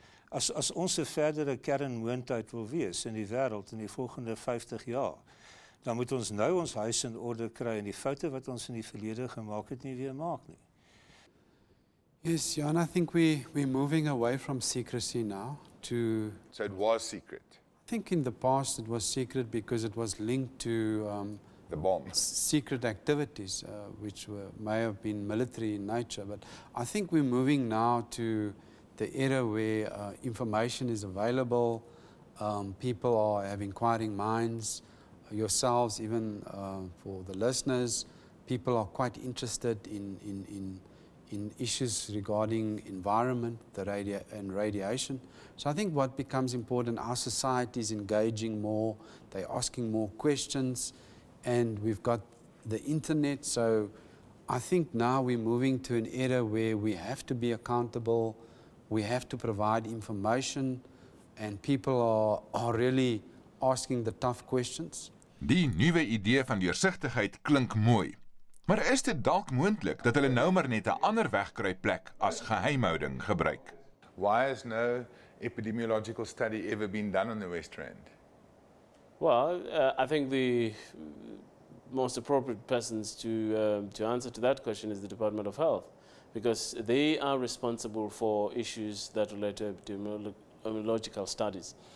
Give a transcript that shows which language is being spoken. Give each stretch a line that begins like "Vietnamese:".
Afrikaans: As ons 'n verdere kernmoontheid wil wees in die wêreld in die volgende 50 jaar, dan moet ons nou ons huis in orde kry en die foute wat ons in die verlede gemaak het nie weer maak nie.
English: Yes, Jan, I think we're moving away from secrecy now to... So it was secret? I think in the past it was secret because it was linked to... The bombs. Secret activities, which may have been military in nature, but I think we're moving now to the era where information is available, people have inquiring minds, yourselves, even for the listeners, people are quite interested in issues regarding environment, the radiation. So I think what becomes important, our society is engaging more, they're asking more questions, and we've got the internet. So I think now we're moving to an era where we have to be accountable, we have to provide information, and people are really asking the tough questions.
Afrikaans: Die nuwe idee van deursigtigheid klink mooi. Maar is dit dalk moontlik dat hulle nou maar net 'n ander wegkruipplek as geheimhouding gebruik?
English: Why has no epidemiological study ever been done on the West Rand? Well, I think the most appropriate persons to answer to that question is the Department of Health, because they are responsible for issues that relate to epidemiological studies.